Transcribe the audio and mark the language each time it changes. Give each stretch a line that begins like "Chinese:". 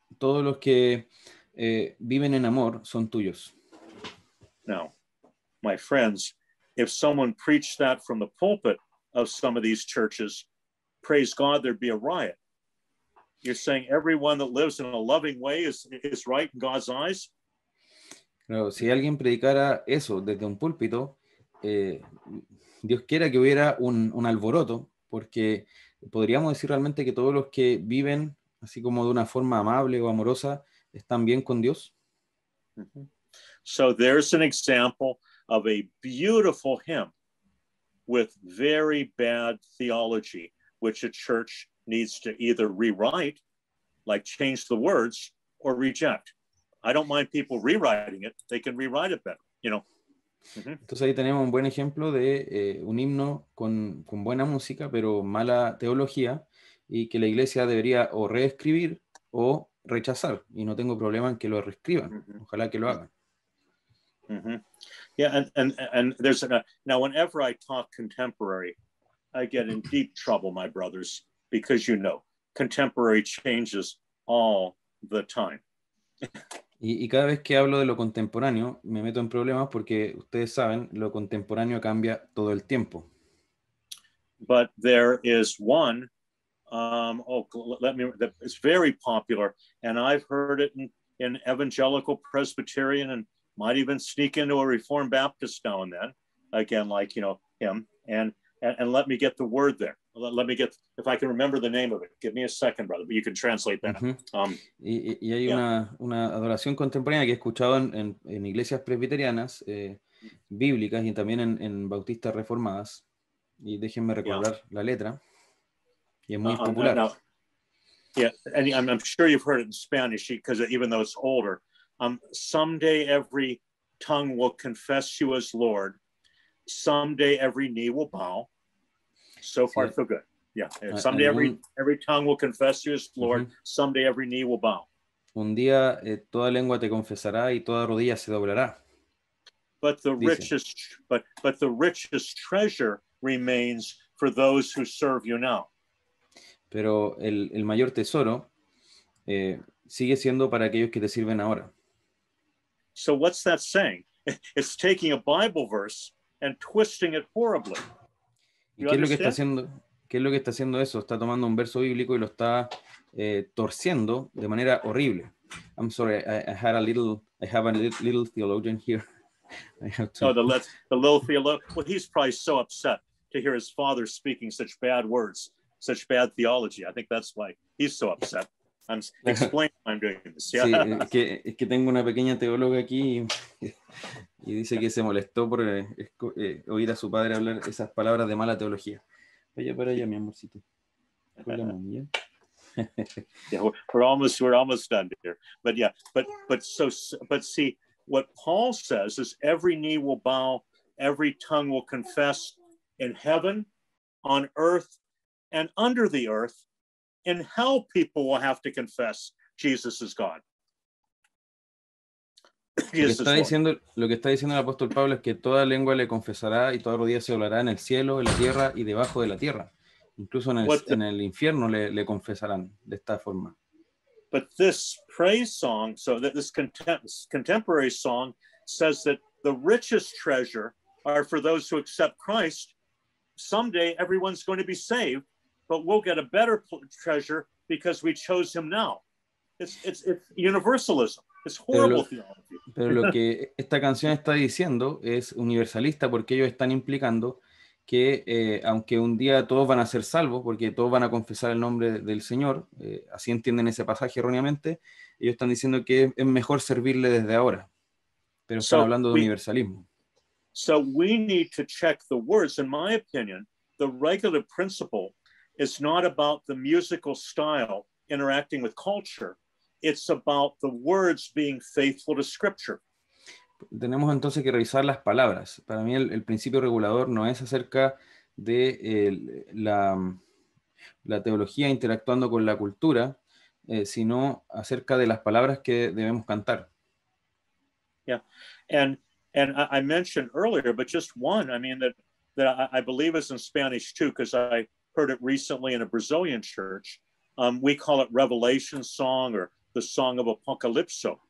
Spanish: Todos los que viven en amor son tuyos.
English: Now, my friends, if someone preached that from the pulpit of some of these churches, praise God, there'd be a riot. You're saying everyone that lives in a loving way is right in God's eyes?
Spanish: Pero si alguien predicara eso desde un púlpito, Dios quiera que hubiera un alboroto, porque podríamos decir realmente que todos los que viven así como de una forma amable o amorosa están bien con Dios.
English: So there's an example of a beautiful hymn with very bad theology, which a church needs to either rewrite, like change the words, or reject. I don't mind people rewriting it. They can rewrite it better, you know. Mm-hmm.
Spanish: Entonces ahí tenemos un buen ejemplo de un himno con buena música, pero mala teología, y que la iglesia debería o reescribir o rechazar. Y no tengo problema en que lo reescriban. Mm-hmm. Ojalá que lo hagan.
English: Mm-hmm. Yeah, and there's now whenever I talk contemporary, I get in deep trouble, my brothers, because you know, contemporary changes all the time.
Spanish: Y cada vez que hablo de lo contemporáneo, me meto en problemas porque ustedes saben, lo contemporáneo cambia todo el tiempo.
English: But there is one, that is very popular, and I've heard it in evangelical Presbyterian and might even sneak into a Reformed Baptist now and then, again, like, you know, him, and let me get the word there. Let me get, if I can remember the name of it, give me a second, brother, but you can translate that. Uh-huh.
Spanish: Y hay una adoración contemporánea que he escuchado en iglesias presbiterianas, bíblicas, y también en bautistas reformadas, y déjenme recordar la letra, y es muy popular.
English: I'm sure you've heard it in Spanish, because even though it's older, someday every tongue will confess you as Lord, someday every knee will bow. So far, so good. Yeah. Someday every tongue will confess you as Lord. Uh-huh. Someday every knee will bow.
Spanish: Un día toda lengua te confesará y toda rodilla se doblará.
English: But the richest treasure remains for those who serve you now.
Spanish: Pero el mayor tesoro sigue siendo para aquellos que te sirven ahora.
English: So what's that saying? It's taking a Bible verse and twisting it horribly.
Spanish: ¿Qué es lo que está haciendo eso? Está tomando un verso bíblico y lo está torciendo de manera horrible.
English: I'm sorry, I have a little theologian here. The little theologian. Well, he's probably so upset to hear his father speaking such bad words, such bad theology. I think that's why he's so upset. I'm explaining why I'm doing this.
Spanish: Yeah. Sí, es que tengo una pequeña teóloga aquí. Y dice que se molestó por oír a su padre hablar esas palabras de mala teología. Oye, para allá, mi amorcito. Hola, mami.
English: we're almost done here. But yeah, but see, what Paul says is every knee will bow, every tongue will confess in heaven, on earth, and under the earth, in hell people will have to confess Jesus is God.
Spanish: Lo que está diciendo el apóstol Pablo es que toda lengua le confesará y toda rodilla se doblará en el cielo, en la tierra y debajo de la tierra. Incluso en el infierno le confesarán de esta forma.
English: But this praise song, so that this contemporary song says that the richest treasure are for those who accept Christ. Someday everyone's going to be saved, but we'll get a better treasure because we chose him now. It's universalism. It's horrible theology.
Spanish: Pero lo que esta canción está diciendo es universalista porque ellos están implicando que aunque un día todos van a ser salvos porque todos van a confesar el nombre del Señor, así entienden ese pasaje erróneamente, ellos están diciendo que es mejor servirle desde ahora. Pero están hablando de universalismo.
English: So we need to check the words. In my opinion, the regulative principle is not about the musical style interacting with culture. It's about the words being faithful to scripture.
Spanish: Tenemos entonces que revisar las palabras. Para mí el principio regulador no es acerca de la teología interactuando con la cultura, sino acerca de las palabras que debemos cantar.
English: Yeah, and I mentioned earlier, but just one, I mean, that I believe is in Spanish too, because I heard it recently in a Brazilian church. We call it Revelation song or the song of Apocalypse.